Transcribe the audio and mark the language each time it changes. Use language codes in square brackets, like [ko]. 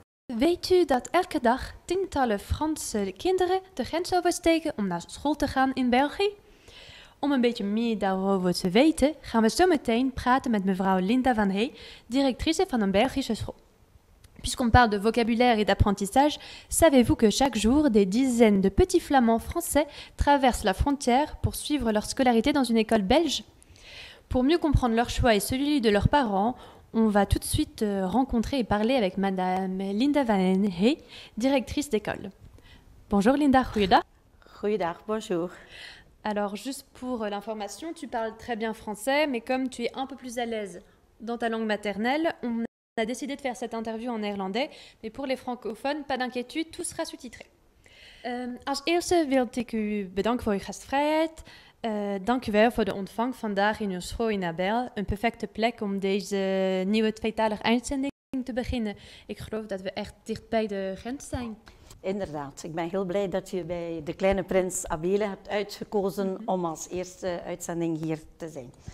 [nl] Weet u dat elke dag tientallen Franse kinderen de grens oversteken om naar school te gaan in België? Om een beetje meer daarover te weten, gaan we zo meteen praten met mevrouw Linda Van Hey, directrice van een Belgische school. [fr] Puisqu'on parle de vocabulaire et d'apprentissage, savez-vous que chaque jour, des dizaines de petits flamands français traversent la frontière pour suivre leur scolarité dans une école belge? Pour mieux comprendre leur choix et celui de leurs parents, on va tout de suite rencontrer et parler avec madame Linda Van Hey, directrice d'école. Bonjour Linda, [nl] goeiedag. Goeiedag, [fr] bonjour. Alors, juste pour l'information, tu parles très bien français, mais comme tu es un peu plus à l'aise dans ta langue maternelle, on a décidé de faire cette interview en néerlandais. Mais pour les francophones, pas d'inquiétude, tout sera sous-titré. [nl] Als eerste wil ik u bedanken voor uw gastvrijheid. Dank u wel voor de ontvang vandaag in uw school in Abel. Een perfecte plek om deze nieuwe tweetalige uitzending te beginnen. Ik geloof dat we echt dicht bij de grens zijn. Inderdaad, ik ben heel blij dat je bij de kleine prins Abele hebt uitgekozen om als eerste uitzending hier te zijn.